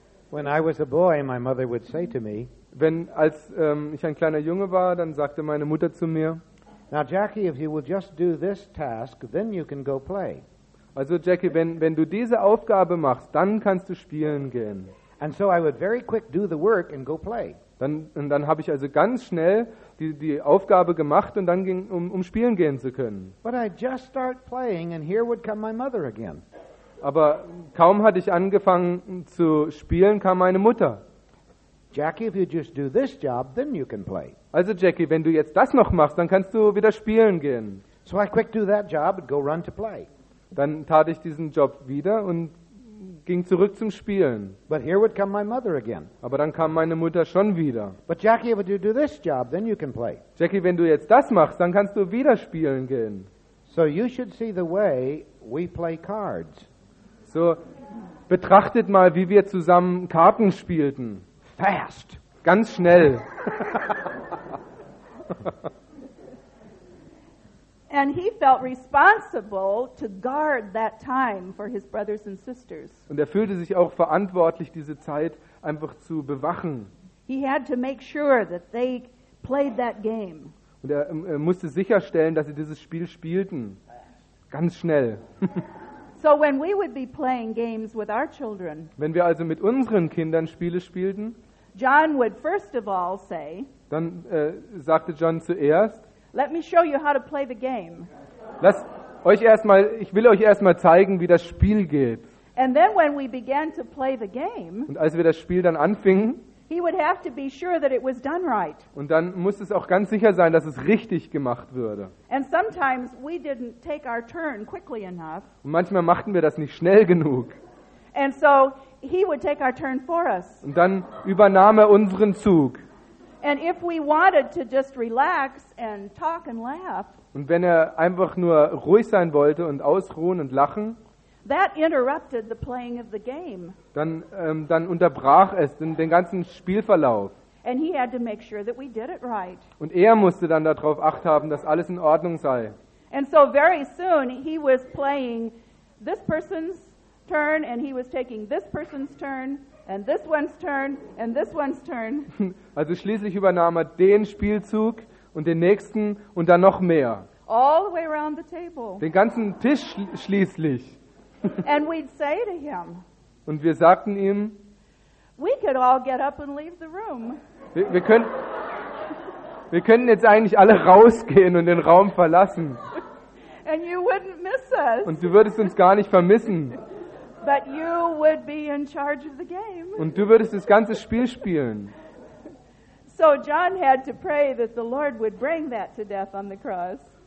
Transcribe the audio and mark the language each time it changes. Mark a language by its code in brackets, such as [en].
[en] When I was a boy, my mother would say to me, [de] Als ich ein kleiner Junge war, dann sagte meine Mutter zu mir, [en] now Jackie, if you will just do this task, then you can go play. [de] Also Jackie, wenn du diese Aufgabe machst, dann kannst du spielen gehen. [en] And so I would very quick do the work and go play. [de] Dann habe ich also ganz schnell die Aufgabe gemacht und dann ging um spielen gehen zu können. [en] But I just start playing and here would come my mother again. [de] Aber kaum hatte ich angefangen zu spielen, kam meine Mutter. [en] Jackie, if you just do this job, then you can play. [de] Also Jackie, wenn du jetzt das noch machst, dann kannst du wieder spielen gehen. [en] So I quick do that job and go run to play. [de] Dann tat ich diesen Job wieder und ging zurück zum Spielen. [en] But here would come my mother again. [de] Aber dann kam meine Mutter schon wieder. [en] But Jackie, if you do this job, then you can play. [de] Jackie, wenn du jetzt das machst, dann kannst du wieder spielen gehen. [en] So you should see the way we play cards. [de] So betrachtet mal, wie wir zusammen Karten spielten. [en] Fast. [de] Ganz schnell. [en] And he felt responsible to guard that time for his brothers and sisters. [de] Und er fühlte sich auch verantwortlich, diese Zeit einfach zu bewachen. [en] He had to make sure that they played that game. [de] Und er musste sicherstellen, dass sie dieses Spiel spielten. Ganz schnell. [en] So when we would be playing games with our children, [de] wenn wir also mit unseren Kindern Spiele spielten, [en] John would first of all say, [de] dann sagte John zuerst, [en] let me show you how to play the game. [de] Ich will euch erstmal zeigen, wie das Spiel geht. [en] And then when we began to play the game, [de] und als wir das Spiel dann anfingen, [en] he would have to be sure that it was done right. [de] Und dann muss es auch ganz sicher sein, dass es richtig gemacht würde. [en] And sometimes we didn't take our turn quickly enough. [de] Und manchmal machten wir das nicht schnell genug. [en] And so he would take our turn for us. [de] Und dann übernahm er unseren Zug. [en] And if we wanted to just relax and talk and laugh, [de] und wenn er einfach nur ruhig sein wollte und ausruhen und lachen, [en] that interrupted the playing of the game. [de] Dann unterbrach es den ganzen Spielverlauf. [en] And he had to make sure that we did it right. [de] Und er musste dann darauf Acht haben, dass alles in Ordnung sei. [en] And so very soon he was playing this person's turn and he was taking this person's turn and this one's turn and this one's turn. [de] Also schließlich übernahm er den Spielzug und den nächsten und dann noch mehr. [en] All the way around the table. [de] Den ganzen Tisch schließlich. [en] And we'd say to him, [de] und wir sagten ihm, [en] we could all get up and leave the room. [de] Wir könnten jetzt eigentlich alle rausgehen und den Raum verlassen. [en] And you wouldn't miss us. [de] Und du würdest uns gar nicht vermissen. [en] But you would be in charge of the game. [de] Und du würdest das ganze Spiel spielen. [en] So John had to pray that the Lord would bring that to death on the cross.